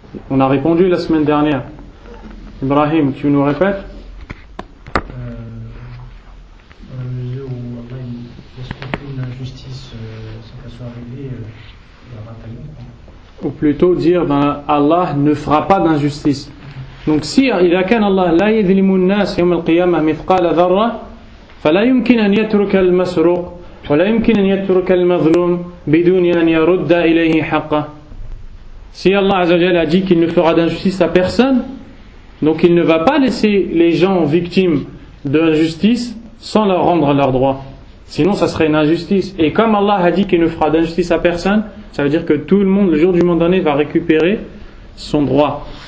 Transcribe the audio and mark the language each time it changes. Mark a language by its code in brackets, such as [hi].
[fr] On a répondu la semaine dernière. Ibrahim, tu nous répètes? Dans la mesure où Allah ne laisse aucune injustice sans qu'elle soit arrivée, il y aura un talion. Ou plutôt dire ben, Allah ne fera pas d'injustice. Donc si il y a qu'un [ar] Allah la yadhlimu an-nas yawm al-qiyam mithqala dharra, فلا يمكن أن يترك المسروق ولا يمكن أن يترك المظلوم بدون أن يرد إليه حقه. [fr] Si Allah عز وجل a dit qu'il ne fera d'injustice à personne, donc il ne va pas laisser les gens victimes d'injustice sans leur rendre leur droit. Sinon, ça serait une injustice. Et comme Allah a dit qu'il ne fera d'injustice à personne, ça veut dire que tout le monde, le jour du jugement dernier, va récupérer son droit.